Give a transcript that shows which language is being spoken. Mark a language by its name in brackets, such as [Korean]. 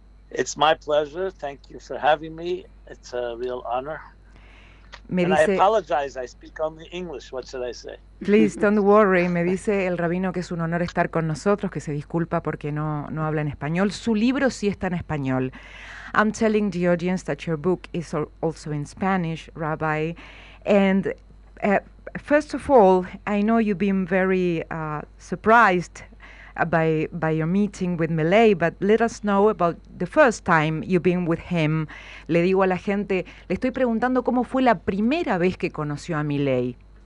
[English] It's my pleasure. Thank you for having me. It's a real honor. [Spanish] Me [English] and [Spanish] dice, [English] I apologize. I speak only English. What should I say? Please, don't worry. [Spanish] Me dice el rabino que es un honor estar con nosotros, que se disculpa porque no habla en español. Su libro sí está en español. [English] I'm telling the audience that your book is also in Spanish, Rabbi. And first of all, I know you've been very surprised by your meeting with Milei, but let us know about the first time you've been with him. [Spanish] Le digo a la gente, le estoy preguntando cómo fue la primera vez que conoció a Milei.